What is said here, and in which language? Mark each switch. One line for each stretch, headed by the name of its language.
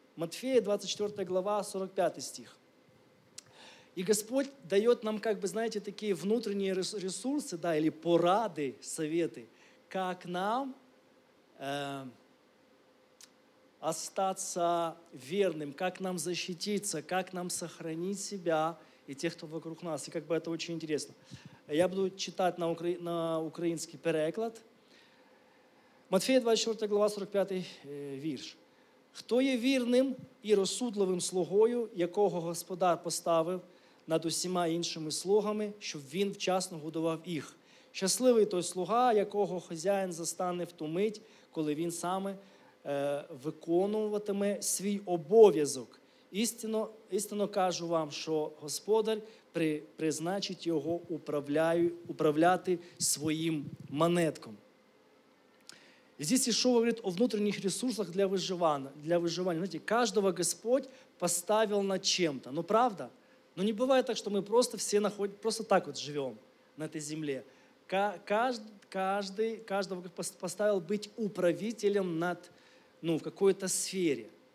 Russian: Матфея, 24 глава, 45 стих. И Господь дает нам, как бы, знаете, такие внутренние ресурсы, да, или порады, советы, как нам остаться верным, как нам защититься, как нам сохранить себя и тех, кто вокруг нас. И как бы это очень интересно. Я буду читать на украинский переклад.
Ukrainian: Матфея, 24 глава, 45 вірш. Хто є вірним і розсудливим слугою, якого господар поставив над усіма іншими слугами, щоб він вчасно годував їх? Щасливий той слуга, якого хазяїн застане в ту мить, коли він саме виконуватиме свій обов'язок. Істинно кажу вам, що господар призначить його управляти своїм манетком.
Russian: Здесь Ишуа говорит о внутренних ресурсах для выживания. Знаете, каждого Господь поставил над чем-то. Ну, правда? Но не бывает так, что мы просто все находимся, просто так вот живем на этой земле. Каждого поставил быть управителем над, ну, в какой-то сфере.